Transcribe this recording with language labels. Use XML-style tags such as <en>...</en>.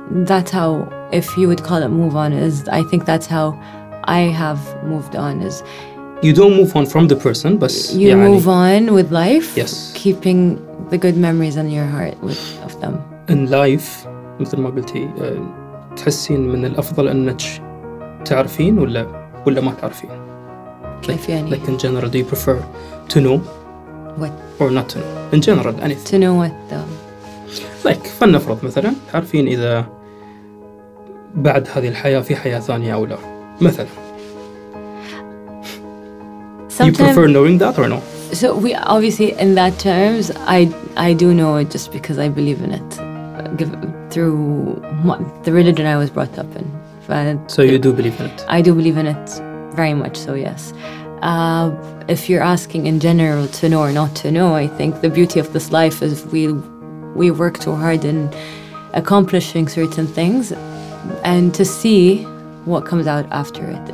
<en>That's how, if you would call it move on, is I think that's how I have moved on. Is you don't move on from the person, but you يعني move on with life. Yes, keeping the good memories in your heart with, of them.</en> <ar>In life, مثل ما قلتي, تحسين من الأفضل أنك تعرفين ولا ما تعرفين؟ كيف يعني؟</ar> <en>Like in general, do you prefer to know what or not to know? In general, anything. To know what though?</en> <ar>Like, فلنفرض مثلاً تعرفين إذا بعد هذه الحياة في حياة ثانية أو لا؟ مثلاً.</ar> <en>Sometimes, you prefer knowing that or no? So we obviously in that terms, I do know it just because I believe in it, through what, the religion I was brought up in. So you do believe in it? I do believe in it very much so, yes. If you're asking in general to know or not to know, I think the beauty of this life is we work so hard in accomplishing certain things and to see what comes out after it.</en>